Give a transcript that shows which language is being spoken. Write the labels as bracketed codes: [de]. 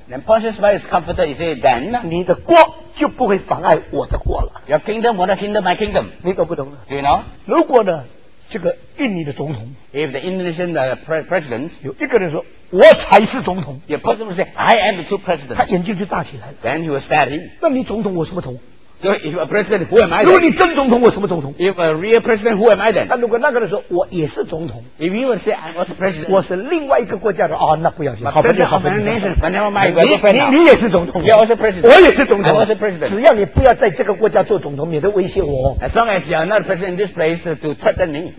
[en] ，Then Pontius Pilate is comforted. He said, then [zh] 你的国就不会妨碍我的国了。 [en] Your kingdom will not hinder my kingdom. [zh] 你懂不懂 [en] ？Do you know? [zh] 如果呢，这个印尼的总统 [en] ，If the Indonesian president [zh] 有一个人说。我才是总统。 [en] Your president will say, I am the true president. [zh] 他眼睛就大起来了。 [en] Then he was staring. [zh] 那你总统我什么头？ [en] So if a president, who am I? [zh] 如果你真总统，我什么总统 [en] ？If a real president, who am I then? [zh] 那如果那个人说我也是总统 [en] ，If you would say I'm also president, [zh] 我是另外一个国家的啊、哦，那不要紧，好朋友，好朋友。 [en] Nation, but never mind. [zh] 你也是总统 [en] ，You're also president. [zh] 我也是总统 [en] ，I'm also president. [zh] 只要你不要在这个国家做总统，免得威胁我。 [en] As long as you're not president in this place to threaten me,